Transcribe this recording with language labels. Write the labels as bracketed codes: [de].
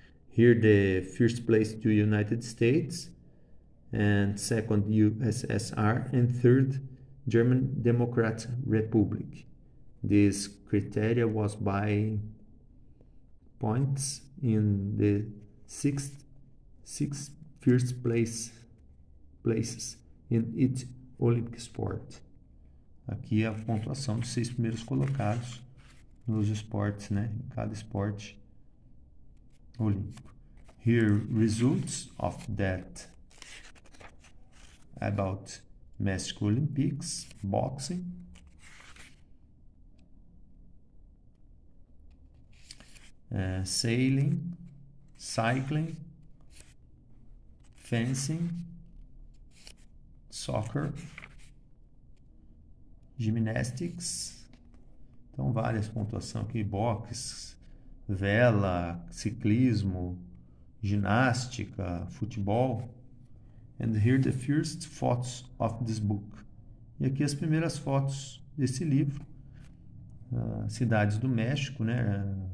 [en] Here the first place to United States, and second USSR, and third German Democrat Republic. This criteria was by points in the sixth first place places in each Olympic sport. [pt] Aqui é a pontuação dos 6 primeiros colocados nos esportes, né? Em cada esporte olímpico. [en] Here results of that about Mexico Olympics boxing. Sailing, cycling, fencing, soccer, gymnastics, [pt] então várias pontuações aqui, boxe, vela, ciclismo, ginástica, futebol. [en] And here the first photos of this book. [pt] E aqui as primeiras fotos desse livro, cidades do México, né?